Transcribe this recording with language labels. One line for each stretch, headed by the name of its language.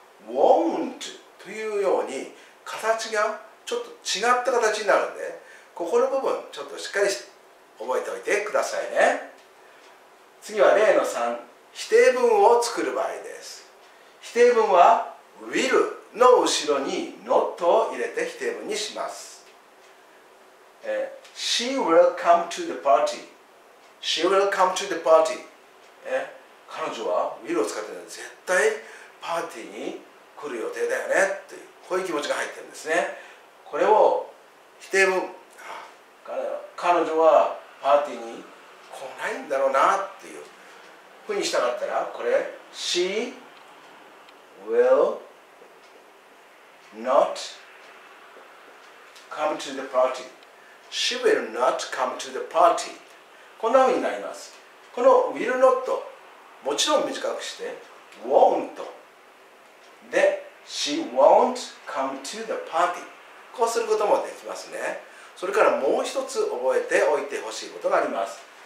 Japanese: Won't というように形がちょっと違った形になるので、ここの部分ちょっとしっかり覚えておいてくださいね。次は例の3、否定文を作る場合です。否定文は Will の後ろに Not を入れて否定文にします。
English: She will come to the party. She will come to the party.
Japanese: 彼女は Will を使っているので絶対パーティーに来る予定だよねっていう、こういう気持ちが入ってるんですね。これを否定文、彼女はパーティーに来ないんだろうなっていうふうにしたかったら、これ
English: She will not come to the party. She will not come to the party.
Japanese: こんな風になります。この will not もちろん短くして won't で、
English: She won't come to the party.
Japanese: こうすることもできますね。それからもう一つ覚えておいてほしいことがあります。